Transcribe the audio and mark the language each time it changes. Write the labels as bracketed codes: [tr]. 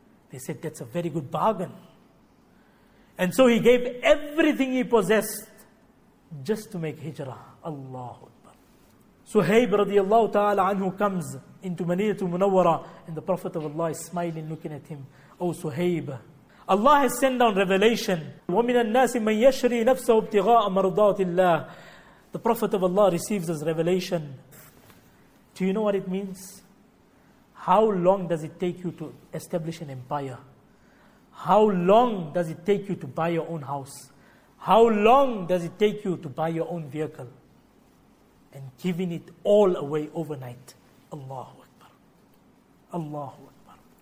[en] They said, that's a very good bargain. And so he gave everything he possessed just to make hijrah. Allahu Akbar. Suhayb radiallahu ta'ala anhu comes into Madinah to Munawwara, and the Prophet of Allah is smiling, looking at him. Oh Suhayb, Allah has sent down revelation. [ar] وَمِنَ النَّاسِ مَنْ يَشْرِي نَفْسَهُ ابْتِغَاءَ مَرْضَاتِ اللَّهِ. [en] The Prophet of Allah receives this revelation. Do you know what it means? How long does it take you to establish an empire? How long does it take you to buy your own house? How long does it take you to buy your own vehicle? And giving it all away overnight. Allahu Akbar. Allahu Akbar.